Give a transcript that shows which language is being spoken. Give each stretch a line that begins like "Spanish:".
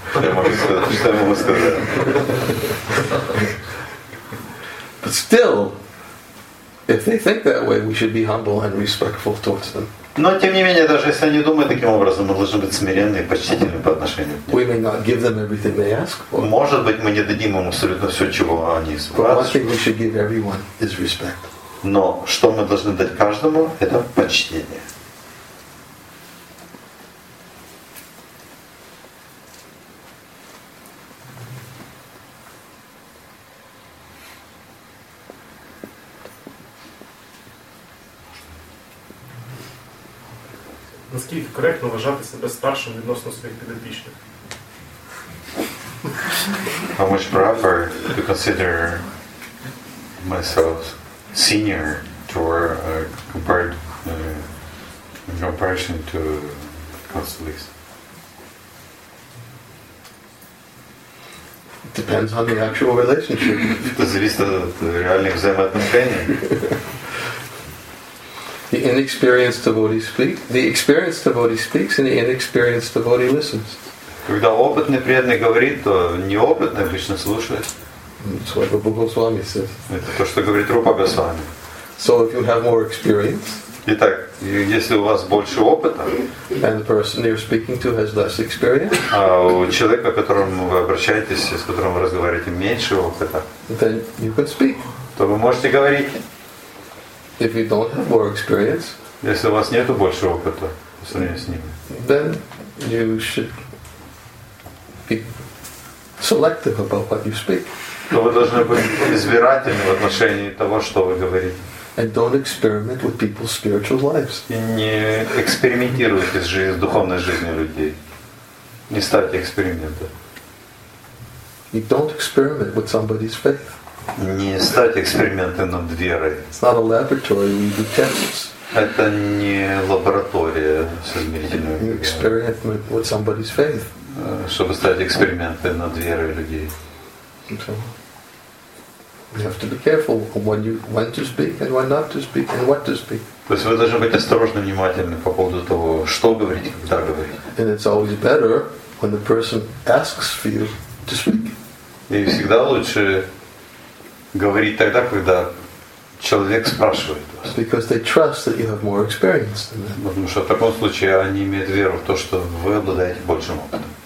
English: But still, if they think that way, we should be humble and respectful towards them.
Russian: Но тем не менее, даже если они думают таким образом, мы должны быть смиренны и почтительны по отношению к ним.
English: We may not give them everything they ask for.
Russian: Может быть, мы не дадим им абсолютно все, чего они спрашивают.
English: But one thing we should give everyone is respect.
Russian: Но что мы должны дать каждому, это почтение.
Ukrainian: наскільки коректно вважати себе старшим відносно своїх підопічних?
English: How much proper to consider myself senior to compared in comparison to counselors? Depends on the actual relationship.
Russian: Зависит от реальных взаимоотношений.
English: The inexperienced devotee speaks. The experienced devotee speaks, and the inexperienced devotee listens.
Russian: Когда опытный преданный говорит, то неопытный обычно слушает.
English: Swami Goswami says.
Russian: Это то, что говорит Рупа Госвами.
English: So if you have more experience.
Russian: Итак, если у вас больше опыта.
English: And the person you're speaking to has less experience.
Russian: А у человека, к которому вы обращаетесь, с которым вы разговариваете, меньше опыта.
English: Then you can speak.
Russian: То вы можете говорить.
English: If you don't have more experience.
Russian: Если у вас нету больше опыта по сравнению с ним.
English: Then you should be selective about what you speak.
Russian: То вы должны быть избирательны в отношении того, что вы говорите.
English: And don't experiment with people's spiritual lives.
Russian: И не экспериментируйте с духовной жизнью людей. Не ставьте эксперимента.
English: You don't experiment with somebody's faith.
Russian: Не ставьте эксперименты над верой.
English: It's not a laboratory, we do tests.
Russian: Это не лаборатория с измерительной.
English: You experiment with somebody's faith.
Russian: Чтобы ставить эксперименты над верой людей.
English: You have to be careful when to speak and when not to speak and what to speak.
Russian: То есть вы должны быть осторожны, внимательны по поводу того, что говорить, когда говорить.
English: And it's always better when the person asks for you to speak.
Russian: И всегда лучше говорить тогда, когда человек спрашивает вас.
English: Because they trust that you have more experience than them.
Russian: Потому что в таком случае они имеют веру в то, что вы обладаете большим опытом.